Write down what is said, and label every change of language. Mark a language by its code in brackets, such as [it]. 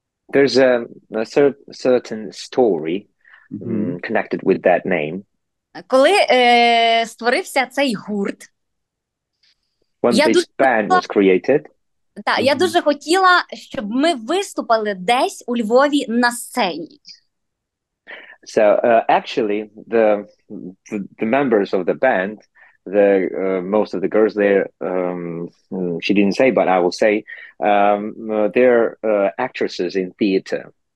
[en] There's a certain story connected with that name. [uk] Коли створився цей гурт, [en] when this band was created. [uk] Так, я дуже хотіла, щоб ми виступили десь у Львові на сцені. [en] So, actually, the members of the band, the most of the girls there, she didn't say, but I will say, they're actresses in theater.